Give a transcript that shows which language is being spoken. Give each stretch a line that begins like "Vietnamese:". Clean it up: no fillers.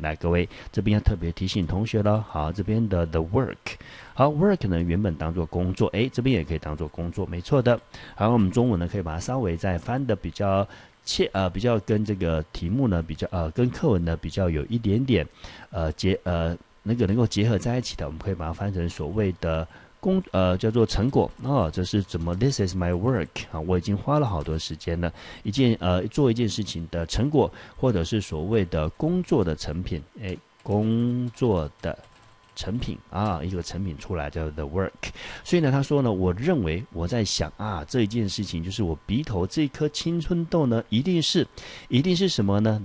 Chinese: 来，各位，这边要特别提醒同学了。好，这边的 the work， 好， work 呢原本当作工作，诶，这边也可以当作工作，没错的。好，我们中文呢可以把它稍微再翻得比较比较跟这个题目呢比较跟课文呢比较有一点点那个能够结合在一起的，我们可以把它翻成所谓的叫做成果。哦，这是怎么 ？
English: This is my work。
Chinese: 啊，我已经花了好多时间了，做一件事情的成果，或者是所谓的工作的成品。哎，工作的成品啊，一个成品出来叫 the work。所以呢他说呢我认为，我在想啊，这一件事情就是我鼻头这颗青春痘呢一定是什么呢？